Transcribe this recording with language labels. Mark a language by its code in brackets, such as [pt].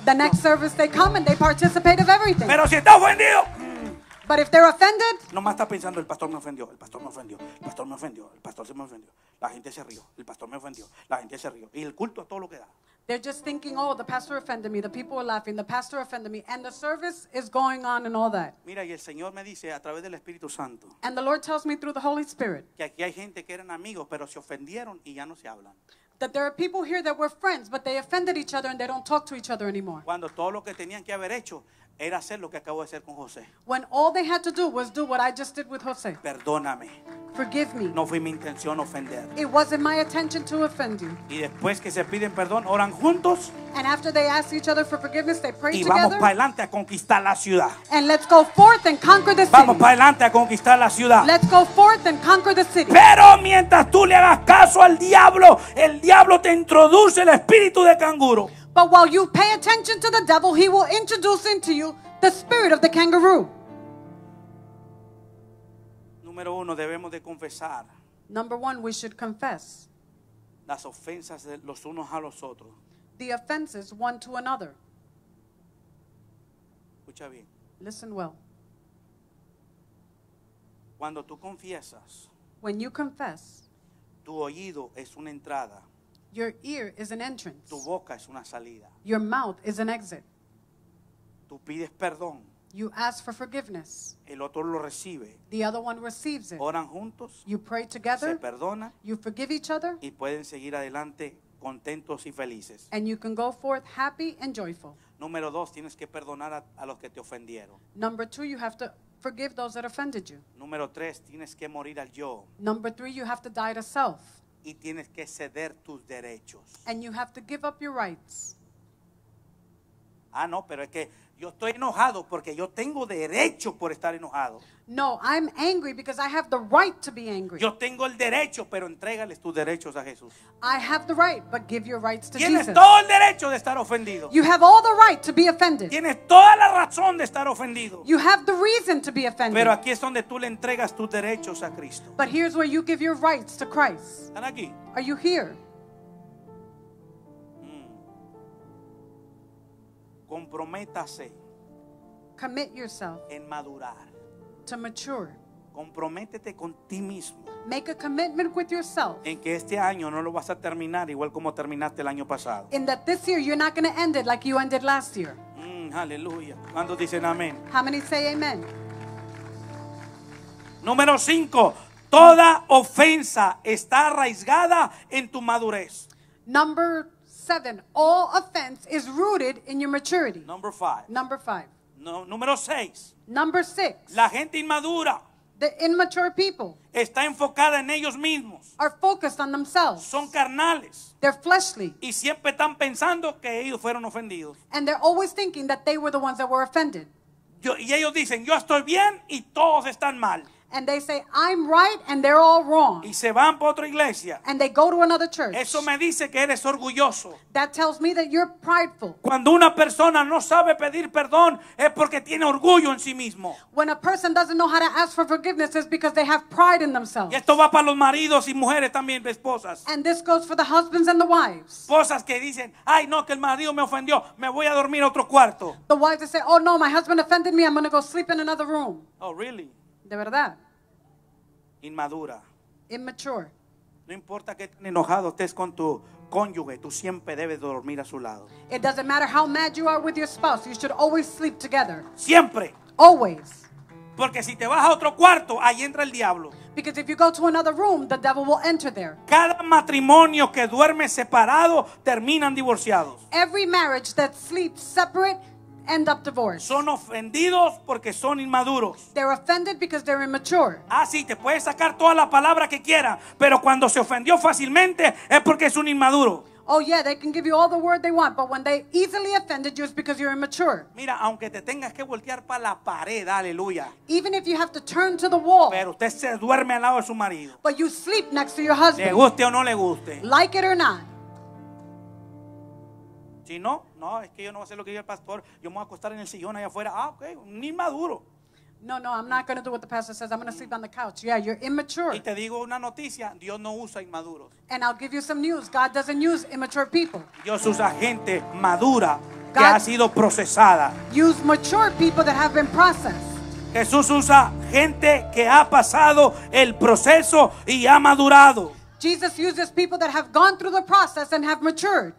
[en] The next service, they come and they participate of everything. [es] Pero si está ofendido. [en] But if they're offended, [es] no más está pensando el pastor me ofendió, el pastor me ofendió, el pastor me ofendió, el pastor se me ofendió, la gente se rió, el pastor me ofendió, la gente se rió y el culto a todo lo que da. [en] They're just thinking, oh, the pastor offended me, the people are laughing, the pastor offended me, and the service is going on and all that. [es] Mira, y el Señor me dice a través del Espíritu Santo. [en] And the Lord tells me through the Holy Spirit. [es] Que aquí hay gente que eran amigos, pero se ofendieron y ya no se hablan. [en] That there are people here that were friends, but they offended each other and they don't talk to each other anymore. [es] Cuando todo lo que tenían que haber hecho era hacer lo que acabo de hacer con José. [en] When all they had to do was do what I just did with José. [es] Perdóname. [en] Forgive me. [es] No fue mi intención ofender. [en] It wasn't my intention to offend you. [es] Y después que se piden perdón, oran juntos. [en] And after they ask each other for forgiveness, they pray together. [es] Y vamos para adelante a conquistar la ciudad. [en] And let's go forth and conquer the city. [es] Vamos para adelante a conquistar la ciudad. [en] Let's go forth and conquer the city. [es] Pero mientras tú le hagas caso al diablo, el diablo te introduce el espíritu de canguro. [en] But while you pay attention to the devil, he will introduce into you the spirit of the kangaroo. [es] Número uno, debemos de confesar. [en] Number one, we should confess. [es] Las ofensas de los unos a los otros. [en] The offenses one to another. [es] Escucha bien. [en] Listen well. [es] Cuando tú confiesas, [en] when you confess, [es] tu oído es una entrada. [en] Your ear is an entrance. [es] Tu boca es una salida. [en] Your mouth is an exit. [es] Tú pides perdón. [en] You ask for forgiveness. [es] El otro lo recibe. [en] The other one receives it. [es] Oran juntos. [en] You pray together. [es] Se perdona. [en] You forgive each other. [es] Y pueden seguir adelante contentos y felices. [en] And you can go forth happy and joyful. [es] Número dos, tienes que perdonar a los que te ofendieron. [en] Number two, you have to forgive those that offended you. [es] Número tres, tienes que morir al yo. [en] Number three, you have to die to self. [es] Y tienes que ceder tus derechos. [en] And you have to give up your rights. [es] Ah, no, pero es que yo estoy enojado porque yo tengo derecho por estar enojado. [en] No, I'm angry because I have the right to be angry. [es] Yo tengo el derecho, pero entrégales tus derechos a Jesús. [en] I have the right, but give your rights to [es] tienes [en] Jesus. [es] Tienes todo el derecho de estar ofendido. [en] You have all the right to be offended. [es] Tienes toda la razón de estar ofendido. [en] You have the reason to be offended. [es] Pero aquí es donde tú le entregas tus derechos a Cristo. [en] But here's where you give your rights to Christ. [es] ¿Están aquí? [en] Are you here? [es] Comprométase. [en] Commit yourself. [es] En madurar. [en] To mature. [es] Comprométete con ti mismo. [en] Make a commitment with yourself. [es] En que este año no lo vas a terminar igual como terminaste el año pasado. [en] In that this year you're not going to end it like you ended last year. [es] Aleluya. ¿Cuántos dicen amén? [en] How many say amen? [es] Número 5. Toda ofensa está arraigada en tu madurez. [en] Number 7. All offense is rooted in your maturity. Number 5. Number 5. [es] No, número 6. [en] Number 6. [es] La gente inmadura. [en] The immature people. [es] Está enfocada en ellos mismos. [en] Are focused on themselves. [es] Son carnales. [en] They're fleshly. [es] Y siempre están pensando que ellos fueron ofendidos. [en] And they're always thinking that they were the ones that were offended. [es] Yo, y ellos dicen, yo estoy bien y todos están mal. [en] And they say, I'm right and they're all wrong. [es] Y se van para otra iglesia. [en] And they go to another church. [es] Eso me dice que eres orgulloso. [en] That tells me that you're prideful. [es] Cuando una persona no sabe pedir perdón es porque tiene orgullo en sí mismo. [en] When a person doesn't know how to ask for forgiveness is because they have pride in themselves. [es] Y esto va para los maridos y mujeres también, esposas. [en] And this goes for the husbands and the wives. [es] Esposas que dicen, ay no, que el marido me ofendió, me voy a dormir a otro cuarto. [en] The wives that say, oh no, my husband offended me, I'm going to go sleep in another room. Oh, really? [es] De verdad. Inmadura. [en] Immature. [es] No importa qué tan enojado estés con tu cónyuge, tú siempre debes dormir a su lado. [en] It doesn't matter how mad you are with your spouse, you should always sleep together. [es] Siempre. [en] Always. [es] Porque si te vas a otro cuarto, ahí entra el diablo. [en] Because if you go to another room, the devil will enter there. [es] Cada matrimonio que duerme separado terminan divorciados. [en] Every marriage that sleeps separate end up divorced. [es] Son ofendidos porque son inmaduros. [en] They're offended because they're immature. [es] Ah, sí, te puedes sacar toda la palabra que quiera, pero cuando se ofendió fácilmente es porque es un inmaduro. [en] Oh yeah, they can give you all the word they want, but when they easily offended you, it's because you're immature. [es] Mira, aunque te tengas que voltear para la pared, aleluya. [en] Even if you have to turn to the wall. [es] Pero usted se duerme al lado de su marido. [en] But you sleep next to your husband. [es] Le guste o no le guste. [en] Like it or not. [es] Si no, no, es que yo no voy a hacer lo que dice el pastor. Yo me voy a acostar en el sillón allá afuera. Ah, ok, ni maduro. [en] No, no, I'm not going to do what the pastor says. I'm going to sleep on the couch. Yeah, you're immature. [es] Y te digo una noticia. Dios no usa inmaduros. [en] And I'll give you some news. God doesn't use immature people. [es] Dios usa gente madura que ha sido procesada. [en] Use mature people that have been processed. [es] Jesús usa gente que ha pasado el proceso y ha madurado. [en] Jesus uses people that have gone through the process and have matured.